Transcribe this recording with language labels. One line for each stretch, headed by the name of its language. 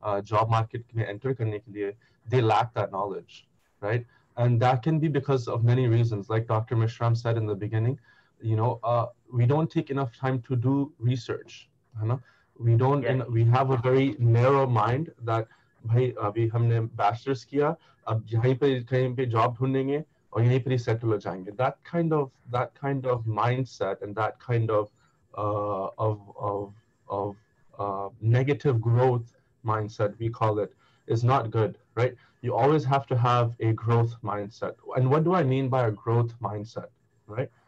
Hindi: Job market mein enter karne ke liye,
English: they lack that knowledge, right? And that can be because of many reasons. Like Dr. Mishram said in the beginning, you know, we don't take enough time to do research. You know? We don't, yeah. We have a very narrow mind that,
Hindi: भाई, अभी हमने bachelor's किया, अब यही पे कहीं पे job ढूंढेंगे, और यही पे settle हो जायेंगे.
English: That kind of mindset and that kind of negative growth mindset, we call it, is not good, right? You always have to have a growth mindset. And what do I mean by a growth mindset, right?